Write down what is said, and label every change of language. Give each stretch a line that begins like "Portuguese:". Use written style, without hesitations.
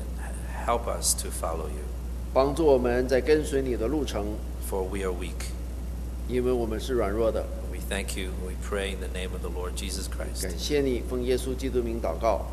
English: And help us to follow you.
Chinese: 帮助我们在跟随你的路程。
English: For we are weak.
Chinese: 因为我们是软弱的。
English: We thank you. We pray in the name of the Lord Jesus Christ.
Chinese: 感谢你，奉耶稣基督名祷告。